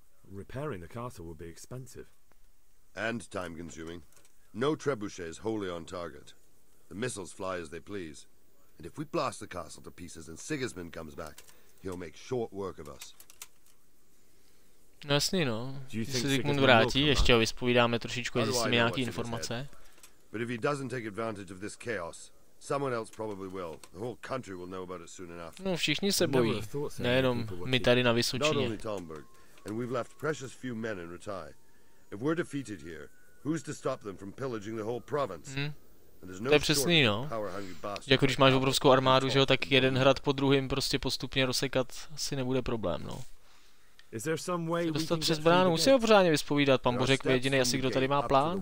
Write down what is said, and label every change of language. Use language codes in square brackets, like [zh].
[en] Repairing the castle would be expensive. And time consuming. No trebuchet is wholly on target. The missiles fly as they please. And if we blast the castle to pieces and Sigismund comes back, he'll make short work of us. [cs] No jasný, no. Když se Zygmunt vrátí, ještě ho vyspovídáme trošičku, zjistíme nějaký informace. [en] But if he doesn't take advantage of this chaos, someone else probably will. The whole country will know about it soon enough. [cs] No, všichni se bojí. Nejenom my tady na Vysočině. [en] Not only Talmberg, and we've left precious few men in Rutai. If we're defeated here, who's to stop them from pillaging the whole province? [cs] To je přesný, no. Jako když máš obrovskou armádu, že jo, tak jeden hrad po druhým prostě postupně rozsekat asi nebude problém, no. Dostat přes bránu, musíme ho pořádně vyspovídat, pan Bořek je jediný asi, kdo tady má plán.